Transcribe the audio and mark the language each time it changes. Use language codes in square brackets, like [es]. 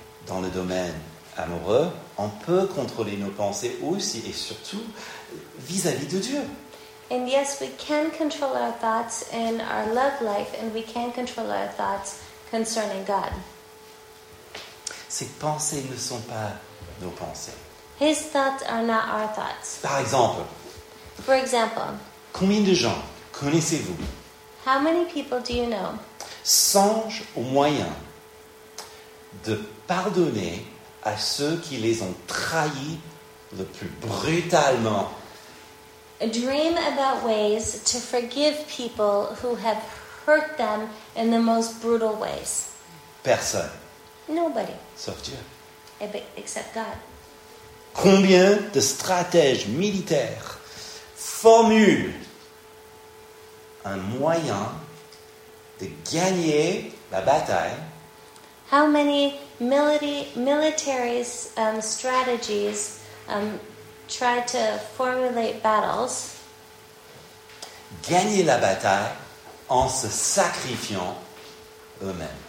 [fr] Dans le domaine amoureux, on peut contrôler nos pensées aussi et surtout vis-à-vis de Dieu. [en] And yes, we can control our thoughts in our love life and we can control our thoughts concerning God. [fr] Ses pensées ne sont pas nos pensées. [en] His thoughts are not our thoughts. [fr] Par exemple. [en] For example. [fr] Combien de gens connaissez-vous? [en] How many people do you know? [fr] Songe au moyen de pardonner à ceux qui les ont trahis le plus brutalement. [en] Dream about ways to forgive people who have hurt them in the most brutal ways. [fr] Personne. [en] Nobody. [fr] Sauf Dieu. [en] Except God. [fr] Combien de stratèges militaires formulent un moyen de gagner la bataille? [en] How many military strategies try to formulate battles? [fr] Gagner la bataille en se sacrifiant eux-mêmes.